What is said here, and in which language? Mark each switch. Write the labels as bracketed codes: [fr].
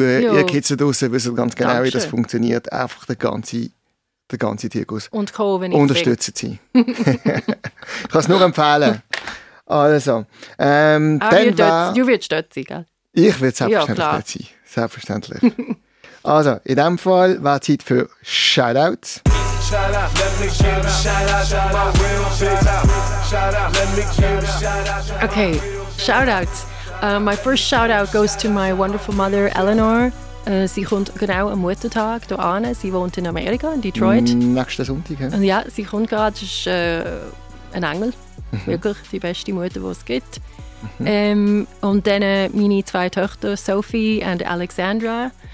[de] Ihr Kids da draussen wissen ganz genau, wie das funktioniert. Einfach den ganzen Tierguss. Und Co., wenn ich unterstützen sie. Ich kann es nur empfehlen. Also, du wirst dort sein, gell? Ich werde selbstverständlich dort sein. Selbstverständlich. Also, in dem Fall war es Zeit für Shoutouts. [en] shout out. Let me give a shout out to my real bitch out. Shout out. Let me give a shout out. Okay, shout outs. My first shout out goes to my wonderful mother, Eleanor. [de] Sie kommt genau am Muttertag hier an. Sie wohnt in Amerika, in Detroit. Nächsten Sonntag. Ja, ja, sie kommt gerade. Sie ist ein Engel. Mhm. Wirklich die beste Mutter, die es gibt. Mhm. Und dann meine zwei Töchter, Sophie und Alexandra.